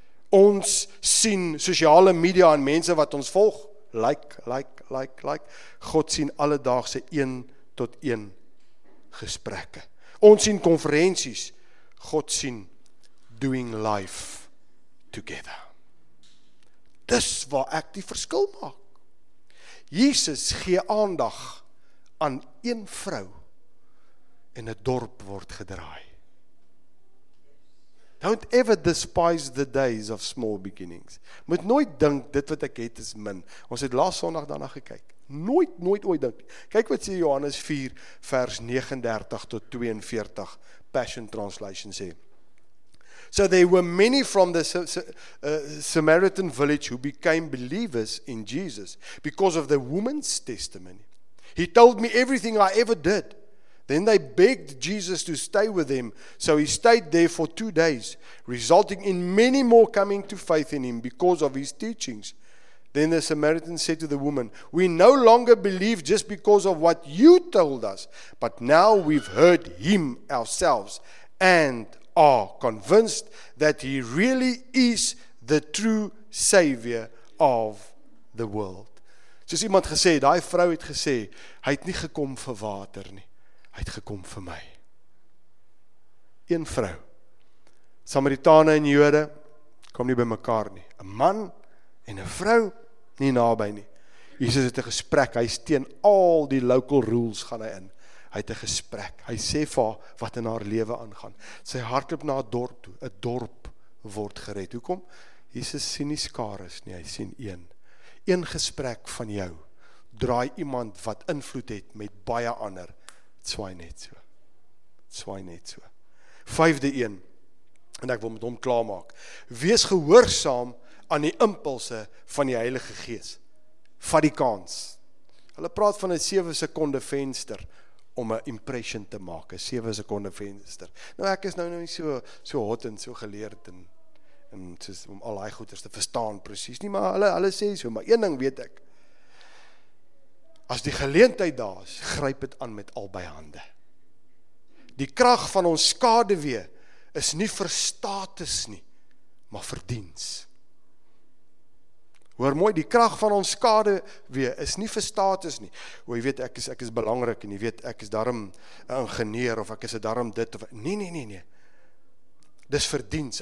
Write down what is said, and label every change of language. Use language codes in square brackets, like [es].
[af] Ons sien sosiale media en mense wat ons volg, like. God sien alledaagse 1-tot-1 gesprekke. Ons sien konferensies. God sien [en] doing life together. [af] Dis waar ek die verskil maak. Jesus gee aandag aan een vrou en 'n dorp word gedraai. [en] Don't ever despise the days of small beginnings. [af] Moet nooit dink dit wat ek het is min. Ons het laas Sondag daarna gekyk. Nooit ooit dink. Kyk wat sê Johannes 4 vers 39-42 Passion Translation sê. [en] So there were many from the Samaritan village who became believers in Jesus because of the woman's testimony. He told me everything I ever did. Then they begged Jesus to stay with them, so he stayed there for 2 days, resulting in many more coming to faith in him because of his teachings. Then the Samaritan said to the woman, "We no longer believe just because of what you told us, but now we've heard him ourselves and are convinced that he really is the true savior of the world. [af] Soos iemand gesê, daai vrou het gesê, hy het nie gekom vir water nie, hy het gekom vir my. Een vrou, Samaritane en Jode, kom nie by mekaar nie, een man en een vrou, nie nabij nie. Jesus het een gesprek, hy is teen al die [en] local rules [af] gaan hy in. Hy het een gesprek, hy sê vir wat in haar leven aangaan. Sy hart loop na 'n dorp toe, 'n dorp word gered. Hoekom? Jesus sien nie skares nie, hy sien een. Een gesprek van jou, draai iemand wat invloed het met baie ander, swaai net so. Swaai net so. Vijfde een, en ek wil met hom klaarmaak. Wees gehoorsaam aan die impulse van die Heilige Gees. Vat die kans. Hulle praat van 'n 7 sekonde venster om 'n impression te maak. 'N 7 sekonde venster. Nou ek is nou nie so hot en so geleerd en soos, om al die goeders te verstaan precies nie, maar hulle sê so, maar een ding weet ek. As die geleentheid daar is, gryp het aan met albei hande. Die krag van ons Skaduwee is nie vir status nie, maar vir diens. Hoor mooi, die krag van ons Skaduwee is nie vir status nie. Hoor, jy weet, ek is belangrik en jy weet, ek is daarom ingenieur of ek is daarom dit of... Nee. Dis vir diens.